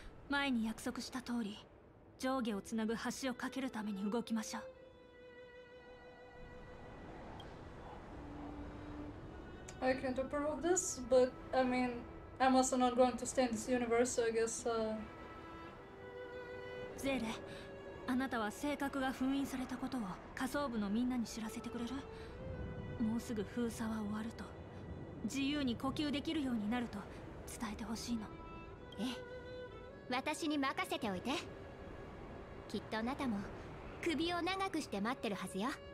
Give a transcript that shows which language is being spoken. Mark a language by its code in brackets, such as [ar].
[ja] 前に約束した通り、上下をつなぐ橋を架けるために動きましょう。 [en] I can't approve of this, but I mean, I'm also not going to stay in this universe, so I guess, [ja] Zere, あなたは性格が封印されたことを仮想部のみんなに知らせてくれる？もうすぐ封鎖は終わると、自由に呼吸できるようになると伝えてほしいの。ええ、私に任せておいて。きっとあなたも首を長くして待ってるはずよ。